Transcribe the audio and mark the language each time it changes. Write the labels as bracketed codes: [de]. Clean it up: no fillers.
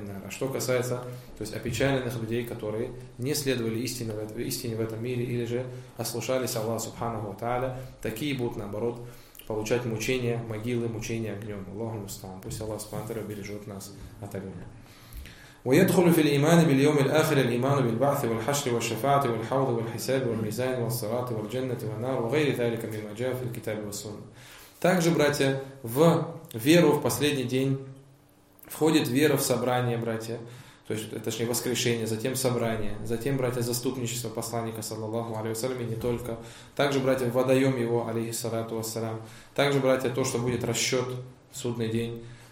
[ru] Что касается, то есть опечаленных людей, которые не следовали истине в этом мире или же ослушались Аллаха Субханаху ва Тааля, такие будут, наоборот, получать мучения могилы, мучения огнем. Аллаху мустаан. Пусть Аллах Субхану Тааля бережет нас от огня. [ar] ويدخل في الإيمان باليوم الآخر الإيمان بالبعث والحشر والشفاعة والحوض والحساب والميزان والصراط والجنة والنار وغير ذلك مما جاء في الكتاب والسنة. [ru] Также, братья, в веру в последний день входит вера в собрание, братья, то есть, точнее, воскрешение, затем собрание, затем, братья, заступничество посланника, саллаллаху алейхи ва саллям, и не только. Также, братья, водоем его, алейхи саляту ва саллям. Также, братья, то, что будет расчет в судный день.